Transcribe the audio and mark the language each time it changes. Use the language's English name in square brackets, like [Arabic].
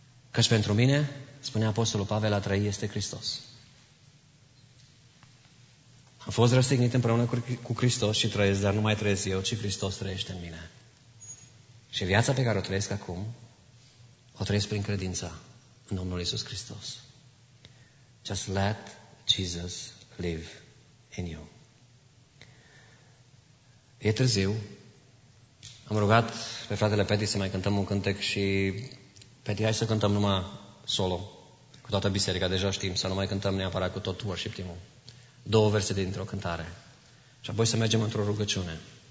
[Romanian] Căci pentru mine, spune Apostolul Pavel, a trăi este Hristos. Am fost răstignit împreună cu Hristos și trăiesc, dar nu mai trăiesc eu, ci Hristos trăiește în mine. Și viața pe care o trăiesc acum, o trăiesc prin credința în Domnul Iisus Hristos. [English] Just let Jesus live in you. [Romanian] E târziu. Am rugat pe fratele Peti să mai cântăm un cântec și Peti, hai să cântăm numai solo, cu toată biserica, deja știm, să nu mai cântăm neapărat cu tot worship team-ul. Două versete dintr-o cântare. Și apoi să mergem într-o rugăciune.